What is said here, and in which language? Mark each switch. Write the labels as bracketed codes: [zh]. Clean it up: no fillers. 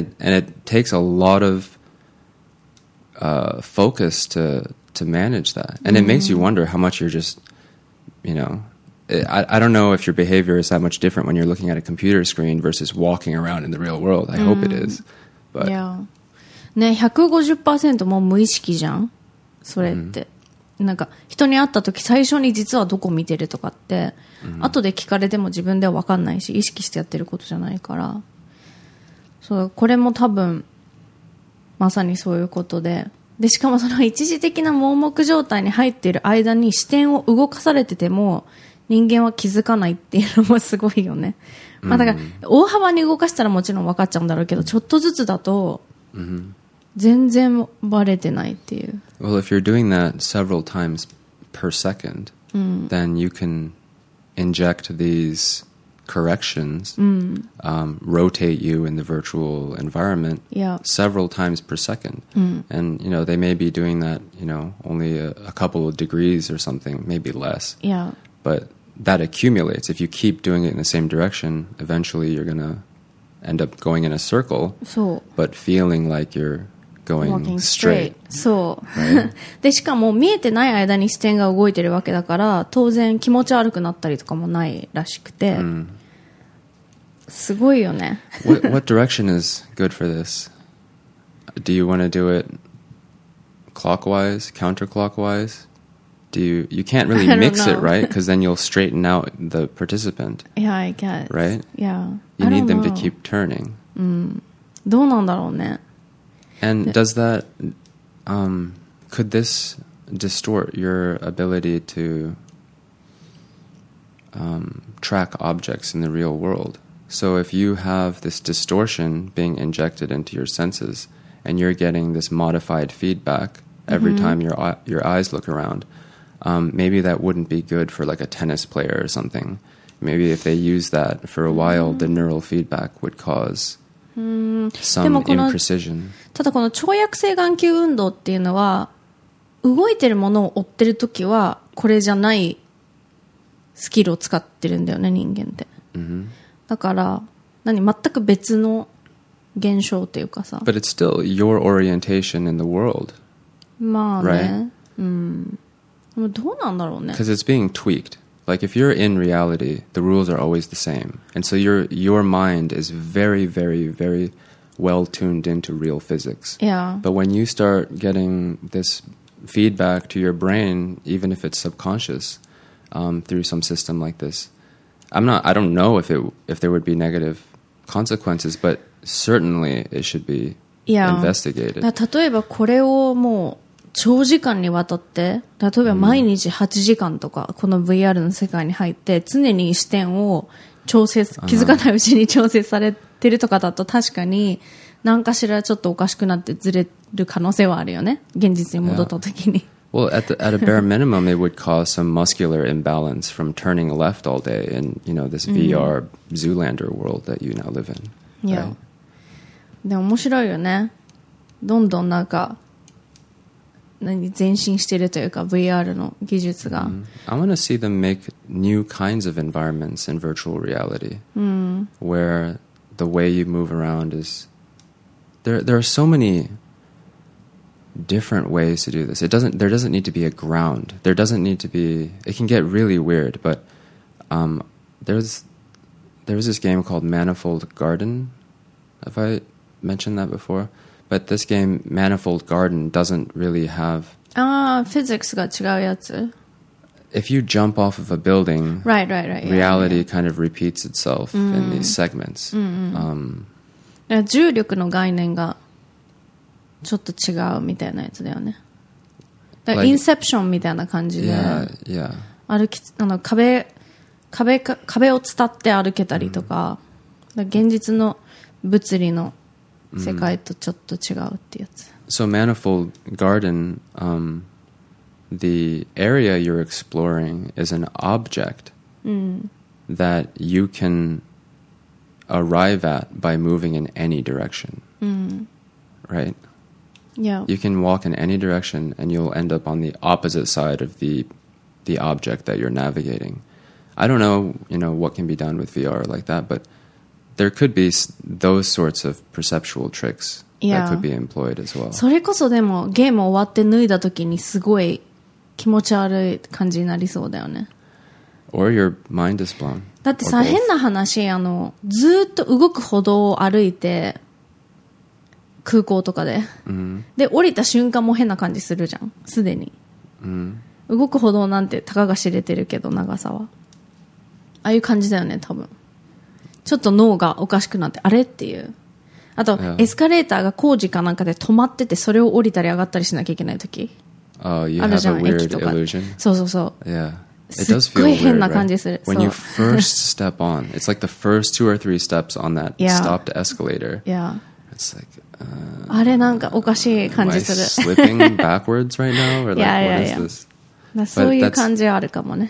[en] And it takes a lot of focus to manage that. And it makes you wonder how much you're just, you know, I don't know if your behavior is that much different when you're looking at a computer screen versus walking around in the real world. I hope it is. But [ja] ね、150% もう無意識じゃんそれって、なんか人に会った時最初に実はどこ見てるとかって、後で聞かれても自分では分かんないし意識してやってることじゃないから、そうこれも多分まさにそういうことで、でしかもその一時的な盲目状態に入っている間に視点を動かされてても人間は気づかないっていうのもすごいよね、まあ、だから大幅に動かしたらもちろん分かっちゃうんだろうけど、ちょっとずつだと全然バレてないっていう。 [en] Well, if you're doing that several times per second, then you can inject these corrections, rotate you in the virtual environment several times per second. And, you know, they may be doing that, you know, only a couple of degrees or something, maybe less. Yeah. But that accumulates. If you keep doing it in the same direction, eventually you're going to end up going in a circle, but feeling like you're going straight. [ja] そう。で、しかも見えてない間に視点が動いてるわけだから、当然気持ち悪くなったりとかもないらしくて、すごいよね。 [en] What direction is good for this? Do you want to do it clockwise, counterclockwise? You can't really mix it, right? Because then you'll straighten out the participant. Yeah, I guess. Right? Yeah. You need them to keep turning. [ja] どうなんだろうね。 [en] And does that, could this distort your ability to track objects in the real world? So if you have this distortion being injected into your senses and you're getting this modified feedback every time your eyes look around, maybe that wouldn't be good for like a tennis player or something. Maybe if they use that for a while, the neural feedback would cause some imprecision. [ja] ただこの跳躍性眼球運動っていうのは、動いてるものを追ってるときはこれじゃないスキルを使ってるんだよね、人間って。だから何全く別の現象っていうかさ。 [en] But it's still your orientation in the world. [ja] まあね。 [en] Right? [ja] どうなんだろうね。 [en] Because it's being tweaked. Like if you're in reality, the rules are always the same, and so your mind is very, very, very well tuned into real physics. Yeah. But when you start getting this feedback to your brain, even if it's subconscious, through some system like this, I don't know if there would be negative consequences, but certainly it should be investigated. [ja] 例えばこれをもう長時間にわたって、例えば毎日8時間とかこの VR の世界に入って常に視点を調整、気づかないうちに調整されてるとかだと、確かに何かしらちょっとおかしくなってずれる可能性はあるよね、現実に戻った時に。 [en] Well, at a bare minimum it would cause some muscular imbalance from turning left all day in, you know, this VR Zoolander world that you now live in. Yeah. [ja] でも面白いよね、どんどんなんか前進してるというか VR の技術が。 [en] I want to see them make new kinds of environments in virtual reality where the way you move around is there are so many different ways to do this. There doesn't need to be a ground. There doesn't need to be, it can get really weird, but there's there was this game called Manifold Garden. Have I mentioned that before? But this game, Manifold Garden, doesn't really have... [ja] Ah, physics が違うやつ。 [en] If you jump off of a building, right, yeah, reality yeah. kind of repeats itself mm. in these segments. Mm-hmm. [ja] 重力の概念がちょっと違うみたいなやつだよね。だからインセプションみたいな感じで、歩き、あの壁を伝って歩けたりとか、だから現実の物理の世界とちょっと違うってやつ。 [en] So Manifold Garden, the area you're exploring is an object that you can arrive at by moving in any direction. Mm. Right? Yeah. You can walk in any direction and you'll end up on the opposite side of the object that you're navigating. I don't know, you know, what can be done with VR like that, but there could be those sorts of perceptual tricks yeah. that could be employed as well. [ja] それこそでもゲーム終わって脱いだ時にすごい気持ち悪い感じになりそうだよね。 [en] Or your mind is blown. [ja] だってさ、変な話、あの、ずっと動く歩道を歩いて、空港とかで。 Mm-hmm. で、降りた瞬間も変な感じするじゃん、すでに。 Mm-hmm. 動く歩道なんて、たかが知れてるけど、長さは。ああいう感じだよね、多分。ちょっと脳がおかしくなって、あれっていう。あと、yeah. エスカレーターが工事かなんかで止まってて、それを降りたり上がったりしなきゃいけないとき。あるじゃん、駅とか。そうそうそう。 [en] Yeah. It does feel weird, right? When you first step on, it's like the first two or three steps on that stopped escalator. Yeah. It's like, am I slipping backwards right now? Or like,